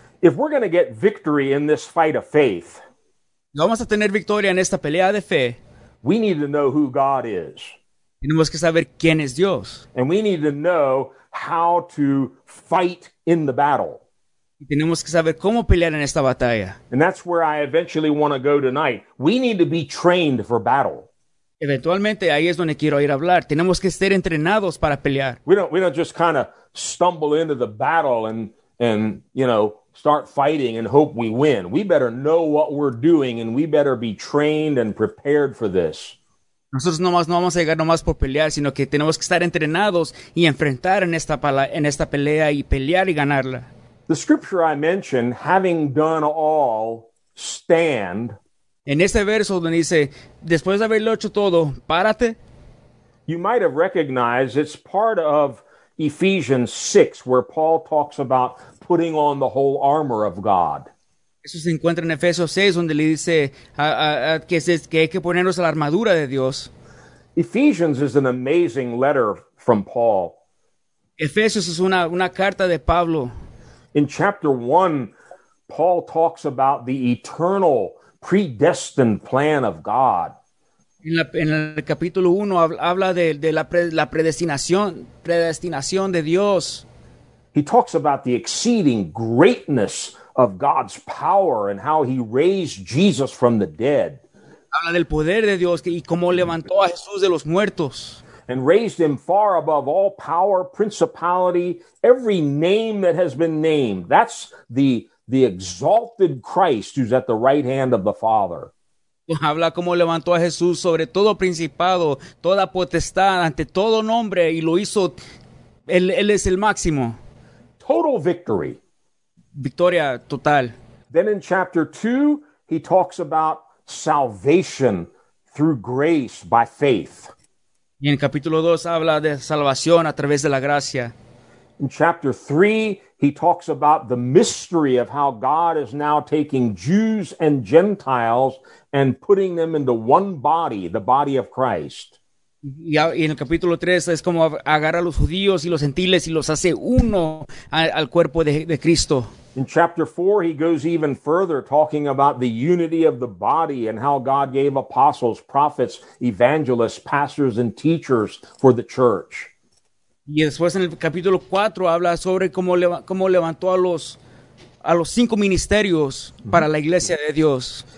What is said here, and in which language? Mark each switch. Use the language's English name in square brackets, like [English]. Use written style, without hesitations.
[English] If we're going to get victory in this fight of faith, [Spanish] vamos a tener victoria en esta pelea de fe. [English] We need to know who God is. [Spanish] Tenemos que saber quién es Dios. [English] And we need to know how to fight in the battle. [Spanish] Y tenemos que saber cómo pelear en esta batalla. [English] And that's where I eventually want to go tonight. We need to be trained for battle. [Spanish] Eventualmente ahí es donde quiero ir a hablar. Tenemos que ser entrenados para pelear. [English] We don't just kind of stumble into the battle and you know, start fighting and hope we win. We better know what we're doing and we better be trained and prepared for this. [Spanish] Nosotros nomás no vamos a llegar nomás por pelear, sino que tenemos que estar entrenados y enfrentar en esta pelea y pelear y ganarla. [English] The scripture I mentioned, having done all, stand. [Spanish] En este verso donde dice, después de haberlo hecho todo, párate. [English] You might have recognized it's part of Ephesians 6, where Paul talks about putting on the whole armor of God. [Spanish] Eso se encuentra en Efesios 6, donde le dice que hay que ponernos la armadura de Dios. [English] Ephesians is an amazing letter from Paul. [Spanish] Efesios es una carta de Pablo. [English] In chapter 1, Paul talks about the eternal predestined plan of God. [Spanish] En el capítulo 1 habla de la predestinación de Dios. [English] He talks about the exceeding greatness of God's power and how he raised Jesus from the dead. [Spanish] Habla del poder de Dios y cómo levantó a Jesús de los muertos. [English] And raised him far above all power, principality, every name that has been named. That's the exalted Christ who's at the right hand of the Father. [Spanish] Habla cómo levantó a Jesús sobre todo principado, toda potestad, ante todo nombre, y lo hizo, él es el máximo. [English] Total victory. [Spanish] Victoria total. [English] Then in chapter 2, he talks about salvation through grace by faith. [Spanish] Y en capítulo 2 habla de salvación a través de la gracia. [English] In chapter 3, he talks about the mystery of how God is now taking Jews and Gentiles and putting them into one body, the body of Christ. [Spanish] Y en el capítulo 3 es como agarra a los judíos y los gentiles y los hace uno al cuerpo de Cristo. [English] In chapter 4, he goes even further, talking about the unity of the body and how God gave apostles, prophets, evangelists, pastors, and teachers for the church. [Spanish] Y después en el capítulo 4 habla sobre cómo levantó a los cinco ministerios para la iglesia de Dios.